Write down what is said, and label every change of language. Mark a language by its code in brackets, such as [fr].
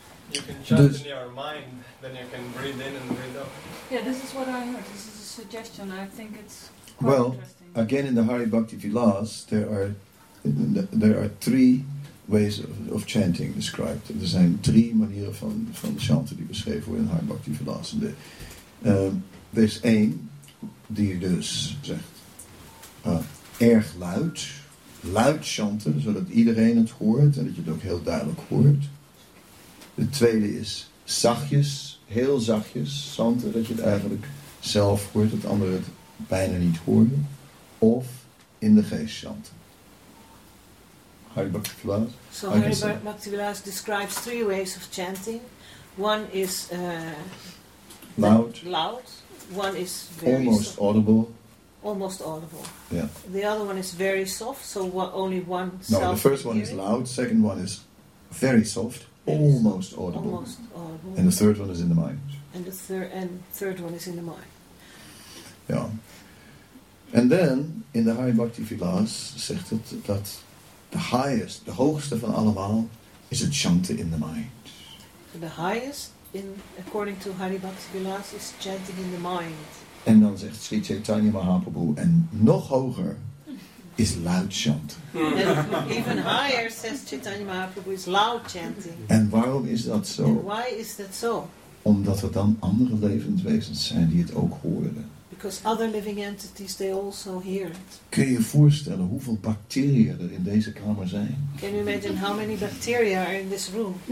[en] You can chant in your mind, then you can breathe in and breathe out. Yeah, this is what I heard. This is a suggestion. I think it's. Well, again, in the Hari Bhakti Vilas, there are three ways of chanting described. [nl] Er zijn drie manieren van chanten die beschreven worden in Hari Bhakti Vilas. Er is één die dus zegt erg luid chanten, zodat iedereen het hoort en dat je het ook heel duidelijk hoort. De tweede is zachtjes, heel zachtjes chanten, dat je het eigenlijk zelf hoort, dat anderen het bijna niet horen, of in de geest chanten. Hari Bhakti Vilas. [en] So Hari Bhakti Vilas describes three ways of chanting. One is loud. One is very almost soft. Almost audible. Yeah. The other one is very soft, so only one. No, the first one is loud. Second one is very soft, almost audible. Almost audible. And the third one is in the mind. [nl] Ja. En dan in de Hari Bhakti Vilas zegt het dat de hoogste van allemaal is het chanten [en] in the mind. The highest, according to Hari Bhakti Vilas, is chanting in the mind. [nl] En dan zegt Sri Chaitanya Mahaprabhu, en nog hoger is luid chanten. [en] Even higher, says Chaitanya Mahaprabhu, is loud chanting. [nl] En waarom is dat zo? [en] And why is that so? [nl] Omdat er dan andere levend wezens zijn die het ook horen. [en] Because other living entities, they also hear it. [nl] Kun je voorstellen hoeveel bacteriën er in deze kamer zijn? [en] Can you imagine how many bacteria are in this room?